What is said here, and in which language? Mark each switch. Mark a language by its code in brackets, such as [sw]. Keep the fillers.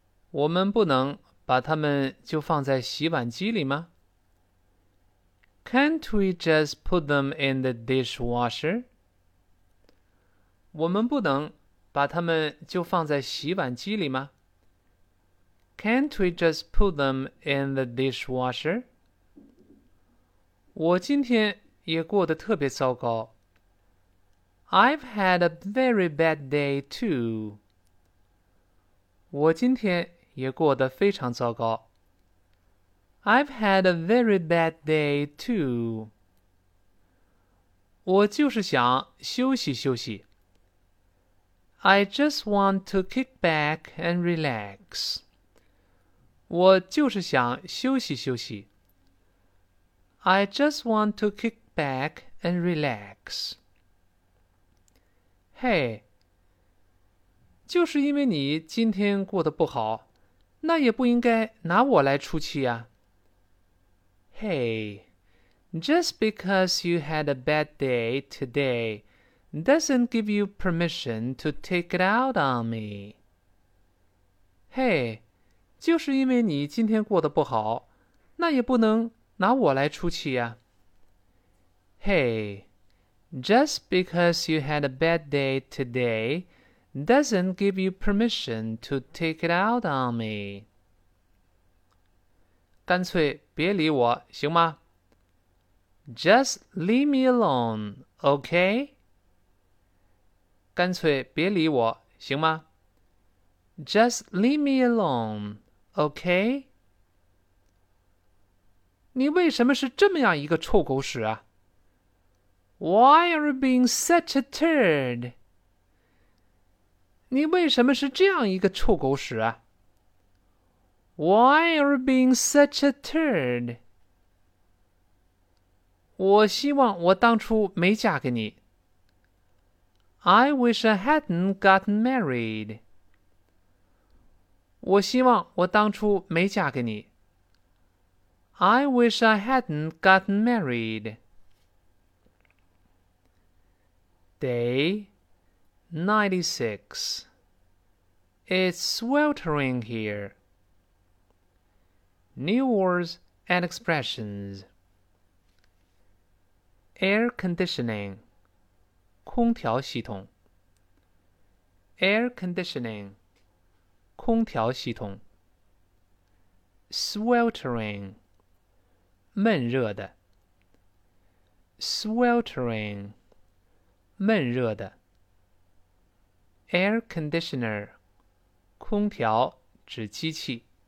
[zh] 我们不能把它们就放在洗碗机里吗？ [en] Can't we just put them in the dishwasher？ [zh] 我们不能把它们就放在洗碗机里吗？ [en] Can't we just put them in the dishwasher？ [zh] 我今天也过得特别糟糕。 [en] I've had a very bad day too. [zh] 我今天也过得非常糟糕。 [en] I've had a very bad day too。 [zh] 我就是想休息休息。 [en] I just want to kick back and relax。 [zh] 我就是想休息休息。 [en] I just want to kick back and relax。 [zh] 嘿，就是因为你今天过得不好，那也不应该拿我来出气啊。 [en] Hey, just because you had a bad day today doesn't give you permission to take it out on me. [zh] Hey, 就是因为你今天过得不好，那也不能拿我来出气呀、啊。 [en] Hey, just because you had a bad day today doesn't give you permission to take it out on me. [zh] 干脆别理我，行吗？ [en] Just leave me alone, okay? [zh] 干脆别理我，行吗？ [en] Just leave me alone, okay? [zh] 你为什么是这么样一个臭狗屎啊？ [en] Why are you being such a turd? [zh] 你为什么是这样一个臭狗屎啊 [en] Why are being such a turd？ [zh] 我希望我当初没嫁给你。 [en] I wish I hadn't gotten married。 [zh] 我希望我当初没嫁给你。 [en] I wish I hadn't gotten married。 Day ninety six. It's sweltering here. New words and expressions. Air conditioning. [zh] 空调系统 air conditioning 空调系统 sweltering 闷热的 sweltering 闷热的 air conditioner 空调指机器